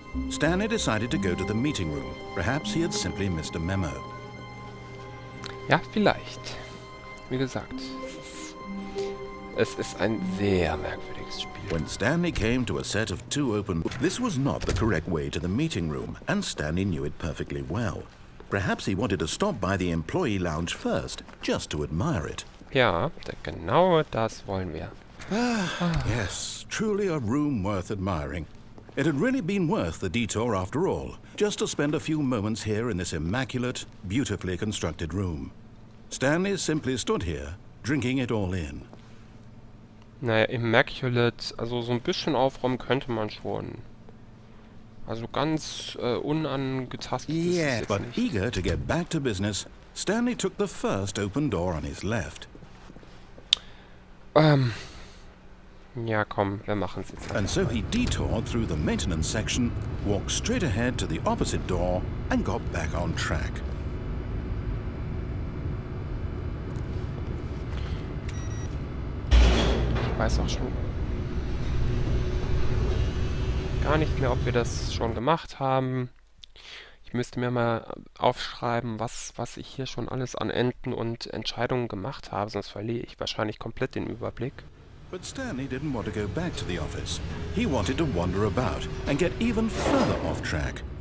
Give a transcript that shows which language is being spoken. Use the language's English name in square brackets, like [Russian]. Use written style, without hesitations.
[English] Stanley decided to go to the meeting room. Perhaps he had simply missed a memo. [German] Ja, vielleicht. Wie gesagt, es ist ein sehr merkwürdiges Spiel. [English] When Stanley came to a set of two open... This was not the correct way to the meeting room, and Stanley knew it perfectly well. Perhaps he wanted to stop by the employee lounge first, just to admire it. [German] Ja, genau das wollen wir. [English] Yes, truly a room worth admiring. It had really been worth the detour after all, just to spend a few moments here in this immaculate, beautifully constructed room. Stanley simply stood here, drinking it all in. [German] Naja, immaculate, also so ein bisschen aufräumen könnte man schon. Also ganz unangetastet ist es jetzt [English] but [German] nicht. [English] Eager to get back to business, Stanley took the first open door on his left. [German] Ja, komm, wir machen's jetzt. [English] And so he detoured through the maintenance section, walked straight ahead to the opposite door and got back on track. [German] Ich weiß auch schon gar nicht mehr, ob wir das schon gemacht haben. Ich müsste mir mal aufschreiben, was ich hier schon alles an Enden und Entscheidungen gemacht habe, sonst verliere ich wahrscheinlich komplett den Überblick. [English] But Stanley didn't want to go back to the office. He wanted to wander about and get even further off track.